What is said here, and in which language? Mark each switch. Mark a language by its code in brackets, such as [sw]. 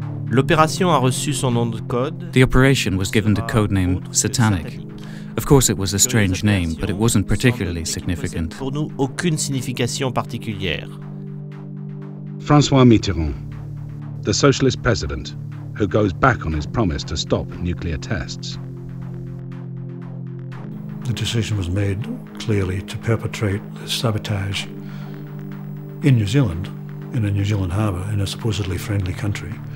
[fr] L'opération a reçu son nom de code. [en] The operation was given the code name Satanique. Of course, it was a strange name, but it wasn't particularly significant. [fr] Pour nous, aucune signification particulière. [en] François Mitterrand, the socialist president, who goes back on his promise to stop nuclear tests. The decision was made clearly to perpetrate the sabotage in New Zealand, in a New Zealand harbour, in a supposedly friendly country.